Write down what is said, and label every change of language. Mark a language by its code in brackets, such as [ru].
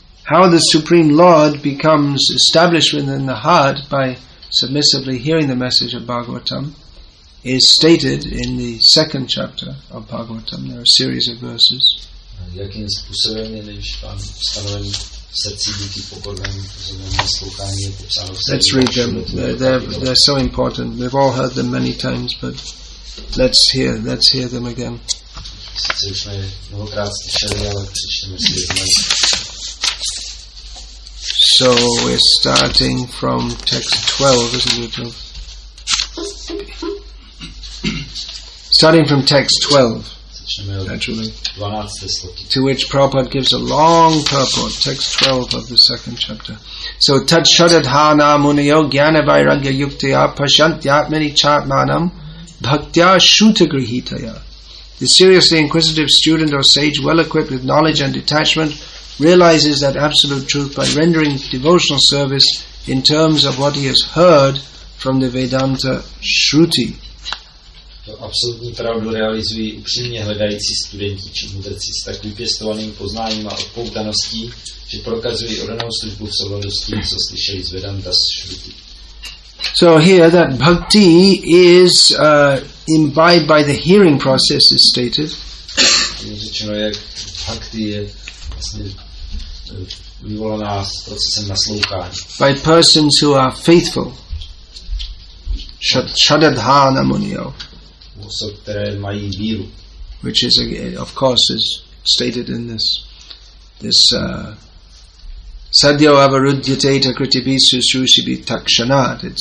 [en] How the Supreme Lord becomes established within the heart by submissively hearing the message of Bhagavatam is stated in the second chapter of Bhagavatam. There are a series of verses. [cs] Jakým způsobem je než pán stanovený v srdci díky pokornému pozornému naslouchání je popsáno v [en] Let's read them. They're so important. We've all heard them many times, but let's hear them again. [cs] Sice už jsme mnohokrát slyšeli, ale přečteme si je znovu. [en] So we're starting from text 12, isn't it? Starting from text 12. Naturally, to which Prabhupada gives a long purport, text 12 of the second chapter. [sa] So, tad shadadhana munayo jnana vairagya yuktaya pashantyatmani chatmanam bhaktya shutagrihitaya. [en] The seriously inquisitive student or sage, well equipped with knowledge and detachment, realizes that absolute truth by rendering devotional service in terms of what he has heard from the Vedanta Shruti. [cs] Absolutní pravdu realizují upřímně hledající studenti či mudrci s tak vypěstovaným poznáním a odpoutaností, že prokazují odanou službu v souladu s tím, co slyšeli z Vedanta Shruti. [en] So here that bhakti is imbibed by the hearing process is stated. [cs] Řečeno, jak bhakti je vlastně vyvolaná procesem naslouchání. [en] By persons who are faithful. [sa] Shadadhana muniyo. [cs] Osob, které mají víru. [en] Which is of course is stated in this [sa] sadhyo avarudyate takritibisu srushibi takshanat.